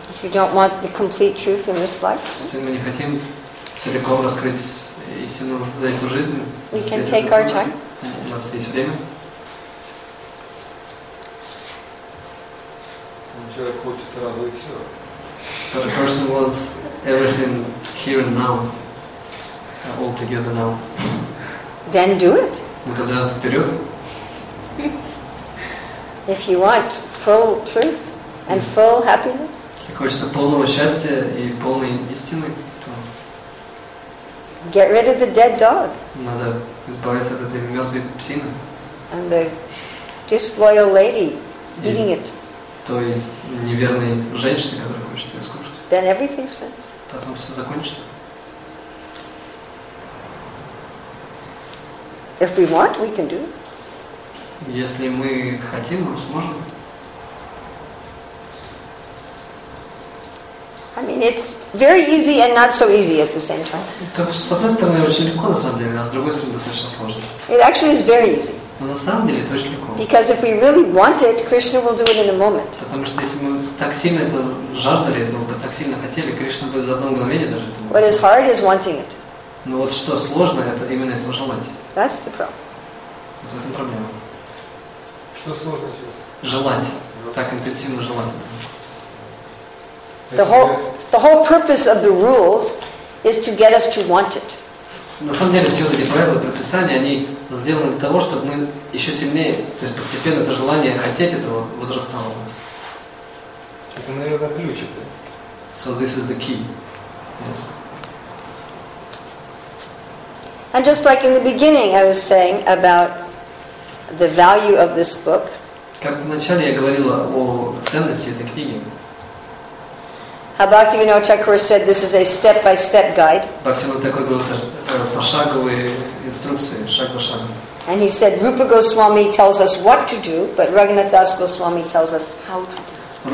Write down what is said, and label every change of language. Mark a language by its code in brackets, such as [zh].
[en] If we don't want the complete truth in this life. [ru] Если мы не хотим целиком раскрыть истину за эту жизнь. [en] We can take our time. [ru] У нас есть время. Человек хочет сразу и все. [en] But a person wants everything here and now. All together now. Then do it. [ru] Ну тогда вперед. [en] If you want full truth and full happiness. [ru] Если хочется полного счастья и полной истины, то. [en] Get rid of the dead dog. [ru] Надо избавиться от этой мертвой псины. [en] And the disloyal lady eating it. [ru] Той неверной женщины, которая хочет ее скушать. [en] Then everything's finished. [ru] Потом все закончится. [en] If we want, we can do. [ru] Если мы хотим, мы сможем. [en] I mean, it's very easy and not so easy at the same time. [ru] То с одной стороны очень легко на самом деле, а с другой стороны достаточно сложно. [en] It actually is very easy. [ru] Но на самом деле это очень легко. [en] Because if we really want it, Krishna will do it in a moment. [ru] Потому что если мы так сильно это жаждали, этого бы так сильно хотели, Кришна бы за одно мгновение даже. [en] What is hard is wanting it. [ru] Но вот что сложно, это именно этого желать. [en] That's the problem. [ru] Вот в этом проблема. Что сложно сейчас? Желать. Так интенсивно желать этого. [en] The whole purpose of the rules is to get us to want it. [ru] На самом деле все эти правила прописания, они сделаны для того, чтобы мы еще сильнее, то есть постепенно это желание хотеть этого возрастало у нас. Это, наверное, ключик, да? [en] So this is the key. Yes. And just like in the beginning I was saying about the value of this book. [ru] Как вначале я говорила о ценности этой книги. [en] Bhaktivinoda Thakur said this is a step-by-step guide. [ru] Bhaktivinoda Thakur говорил, это пошаговые инструкции, шаг за шагом. [en] And he said Rupa Goswami tells us what to do, but Raghunath Das Goswami tells us how to do.